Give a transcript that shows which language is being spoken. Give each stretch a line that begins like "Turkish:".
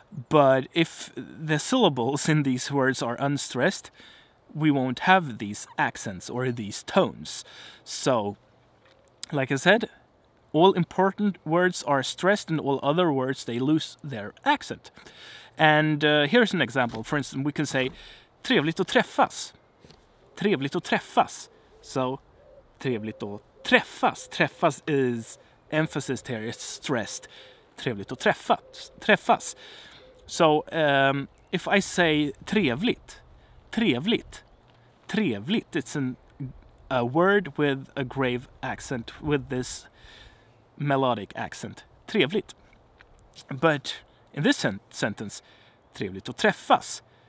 English: But if the syllables in these words are unstressed, we won't have these accents or these tones. So, like I said, all important words are stressed, and all other words, they lose their accent. And here's an example. For instance, we can say
Swedish: trevligt att träffas. Trevligt att träffas.
English: So, trevligt att träffas. Träffas is emphasis here, it's stressed.
Swedish: Trevligt att träffas. Träffas.
English: So, if I say
Swedish: trevligt. Trevligt. Trevligt.
English: It's a word with a grave accent, with this melodic accent.
Swedish: Trevligt.
English: But in this sentence,
Swedish: trevligt att träffas.